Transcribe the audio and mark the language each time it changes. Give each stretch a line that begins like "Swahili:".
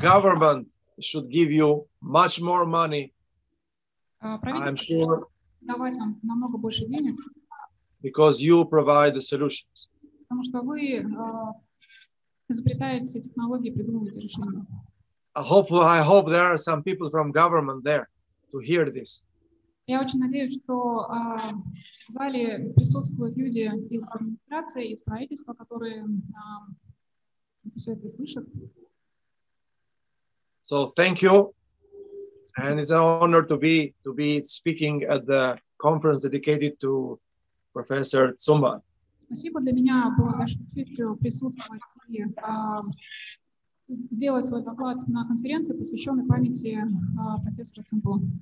English: Government should give you much more money.
Russian: Правительство должно давать вам намного больше денег.
English: Because you provide the solutions.
Russian: Потому что вы изобретаете технологии, придумываете решения.
English: I hope there are some people from government there to hear this.
Russian: Я очень надеюсь, что в зале присутствуют люди из администрации, из правительства, которые все это слышат.
English: So thank you, and it's an honor to be speaking at the conference dedicated to Professor Tsymbal.
Russian: Спасибо, для меня было большой честью присутствовать и сделать свой доклад на конференции, посвященной памяти профессора Цимбо.